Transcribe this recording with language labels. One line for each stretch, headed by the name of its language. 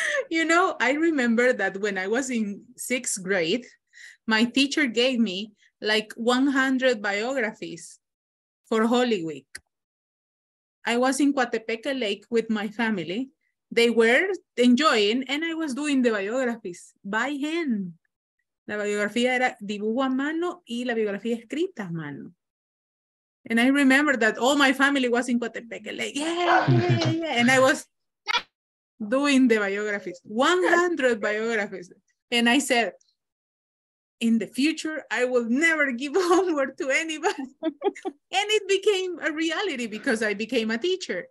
English: You know, I remember that when I was in sixth grade, my teacher gave me like 100 biographies for Holy Week. I was in Coatepeque Lake with my family. They were enjoying and I was doing the biographies by hand.
Spanish: La biografía era dibujo a mano y la biografía escrita a mano.
English: And I remember that all my family was in Coatepeque Lake. Yeah. And I was doing the biographies, 100 biographies. And I said, in the future, I will never give homework to anybody. And it became a reality because I became a teacher.